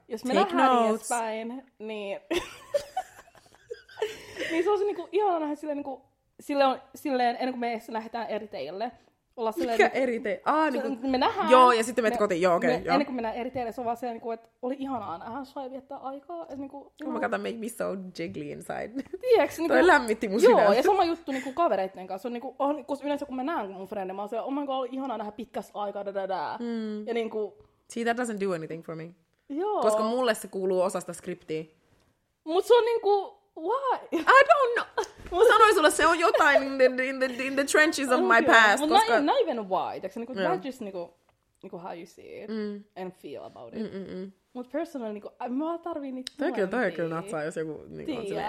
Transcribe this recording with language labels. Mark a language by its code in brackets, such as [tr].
[fi] Jos me take nähdään edespäin, niin... niin se olisi niinku ihan nähdä silleen, niinku, silleen, ennen kuin me edes lähdetään eri teille. Silleen, mikä eri teille? Ah, niin me nähdään. Joo, ja sitten menet kotiin. Joo, okei. Okay, ennen kuin mennään eri teille, se on vaan silleen, että oli ihanaa nähdä sua ja viettää aikaa. Että, niin kuin, [en] oh my god, that made me so jiggly inside. [fi] Tiedätkö? Toi niin lämmitti mun sydäntä. Joo, ja sama juttu niin kuin kavereiden kanssa. On, niin kuin, on, kun yleensä kun mä näen mun frendin, mä oon silleen, [en] oh my god, [fi] oli ihanaa nähdä pitkästä aikaa. Ja niin kuin... [en] See, that doesn't do anything for me. [fi] Joo. Koska mulle se kuuluu osasta skriptiä. Mut se on niin kuin... Why? [en] I don't know. [fi] Mä sanoin sulle, se on jotain [en] in the trenches of my past. Well, koska... not even why. That's niinku, yeah. Just niinku, how you see it and feel about it. [fi] Mut personally, niinku, mä tarviin niitä tuolempia. Toi on kyllä natsaa, jos joku niinku, on silleen.